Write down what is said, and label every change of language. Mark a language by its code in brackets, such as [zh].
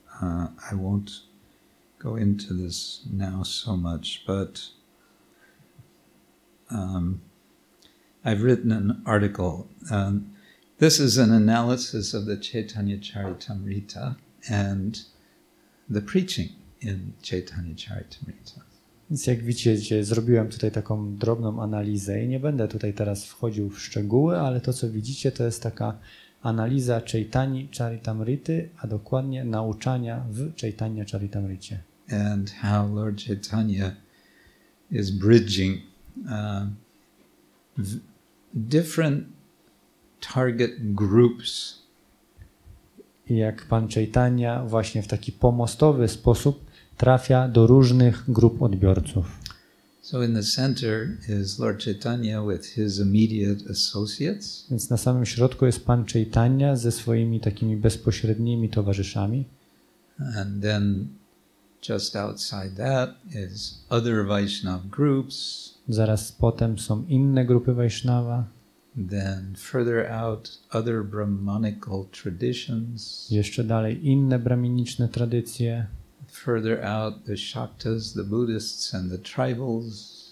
[en] I won't go into this now so much, but I've written an article. This is an analysis of the Chaitanya Charitamrita and the preaching in Chaitanya Charitamrita. [pl] Więc jak widzicie, zrobiłem tutaj taką drobną analizę i nie będę tutaj teraz wchodził w szczegóły, ale to, co widzicie, to jest taka analiza Chaitanya Charitamrity, a dokładnie nauczania w Chaitanya Charitamrycie. [en] And how Lord Chaitanya is bridging different target groups. [pl] I jak pan Chaitanya właśnie w taki pomostowy sposób trafia do różnych grup odbiorców. [en] So in the center is Lord Chaitanya with his immediate associates. [pl] Więc na samym środku jest pan Chaitanya ze swoimi takimi bezpośrednimi towarzyszami. [en] And then just outside that is other Vaishnav groups. [pl] Zaraz potem są inne grupy Vaishnava. [en] Then further out, other Brahmanical traditions. [pl] Jeszcze dalej inne brahminiczne tradycje. [en] Further out, the Shaktas, the Buddhists, and the tribals.